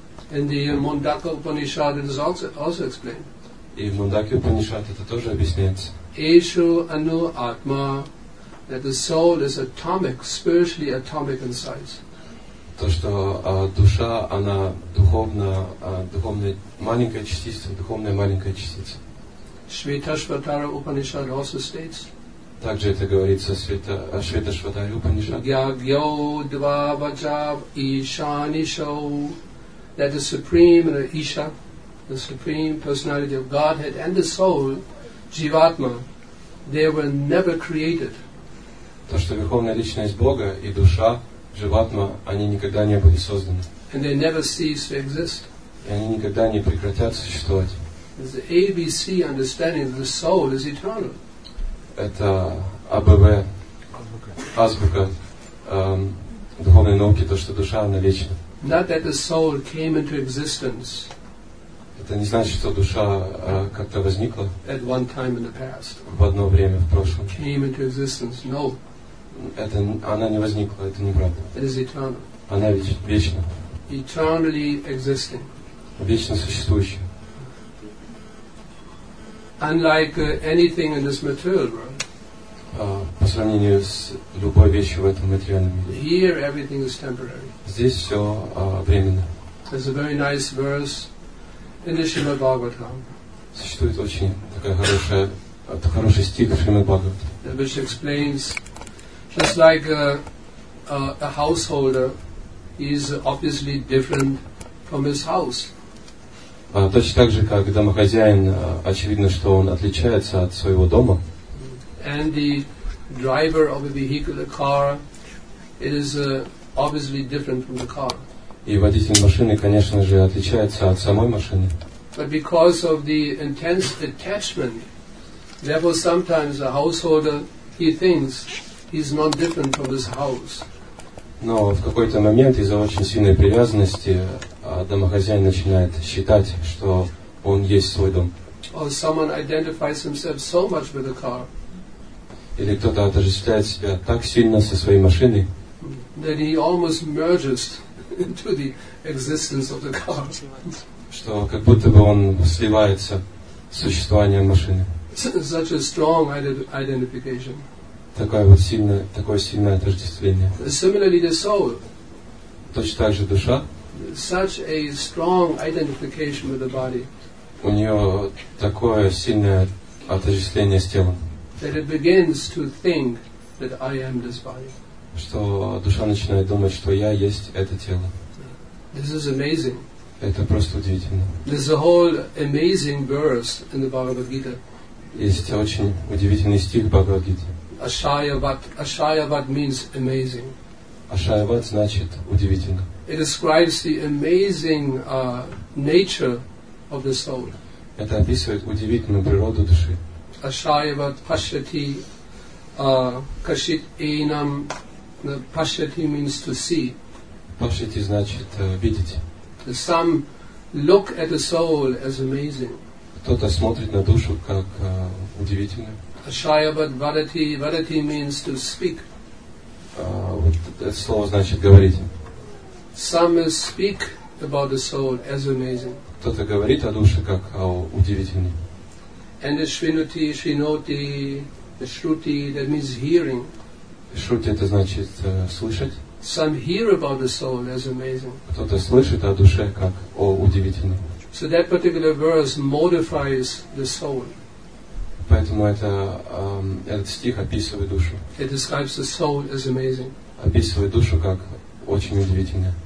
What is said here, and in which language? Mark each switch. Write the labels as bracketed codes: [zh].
[en] In the Mundaka Upanishad, it is also explained. [ru] И в Мундаке Упанишад это тоже объясняется. [sa] Эшу ану атма, [en] that the soul is atomic, spiritually atomic in size. [ru] То, что душа, она духовная маленькая частица, духовная маленькая частица. [en] Шветашватара Упанишад also states. [ru] Также это говорится в Шветашватаре Упанишад. [sa] Ягьо два ваджав ишанишоу. [en] That the Supreme and Isha, the Supreme Personality of Godhead and the soul, Jivatma, they were never created. [ru] То, что Верховная Личность Бога и душа, Jivatma, они никогда не были созданы. [en] And they never cease to exist. [ru] И они никогда не прекратят существовать. [en] It's the ABC understanding that the soul is eternal. [ru] Это АББ, азбука духовной науки, то, что душа, она вечна. [en] Not that the soul came into existence. [ru] Это не значит, что душа как-то возникла. [en] At one time in the past. [ru] В одно время в прошлом. [en] Came into existence. No. [ru] Это она не возникла. Это неправда. [en] It is eternal. [ru] Она вечна. [en] Eternally existing. [ru] Вечно существующая. [en] Unlike anything in this material world. [ru] По сравнению с любой вещью в этом материальном мире. [en] Here everything is temporary. [ru] Здесь все временно. [en] There's a very nice verse in the Srimad Bhagavatam. [ru] Существует очень такая хорошая, это хороший стих в Шримад Бхагаватам. [en] Which explains, just like a householder is obviously different from his house. [ru] Точно так же, как домохозяин, очевидно, что он отличается от своего дома. [en] And the driver of a vehicle, the car, is obviously different from the car. [ru] И водитель машины, конечно же, отличается от самой машины. [en] But because of the intense attachment, therefore sometimes a householder, he thinks he's not different from his house. [ru] Но в какой-то момент из-за очень сильной привязанности домохозяин начинает считать, что он есть свой дом. [en] Or someone identifies himself so much with a car. [ru] Или кто-то отождествляет себя так сильно со своей машиной, [en] that he almost merges into the existence of the car. [ru] Что как будто бы он сливается с существованием машины. [en] Such a strong identification. [ru] Такое вот сильное, такое сильное отождествление. [en] Similarly, the soul. [ru] Точно так же душа. [en] Such a strong identification with the body. [ru] У нее такое сильное отождествление с телом. [en] That it begins to think that I am this body. [ru] Что душа начинает думать, что я есть это тело. [en] This is amazing. [ru] Это просто удивительно. [en] There's a whole amazing verse in the Bhagavad Gita. [ru] Есть очень удивительный стих в Бхагавад Гите. [en] Ashayavat means amazing. [ru] Ashayavat значит удивительно. [en] It describes the amazing nature of the soul. [ru] Это описывает удивительную природу души. [sa] Ashayavat pashyati kashit enam. [en] Pashyati means to see. [ru] Pashyati значит видеть. [en] Some look at the soul as amazing. [ru] Кто-то смотрит на душу как удивительно. [sa] Ashayavat varati. [en] Varati means to speak. [ru] Это слово значит говорить. [en] Some speak about the soul as amazing. [ru] Кто-то говорит о душе как о удивительной. [en] And the shrinuti, shrinoti, the shruti, that means hearing. [ru] Shruti, это значит слышать. [en] Some hear about the soul as amazing. [ru] Кто-то слышит о душе как о удивительной. [en] So that particular verse modifies the soul. [ru] Поэтому это, этот стих описывает душу. [en] It describes the soul as amazing. [ru] Описывает душу как очень удивительно.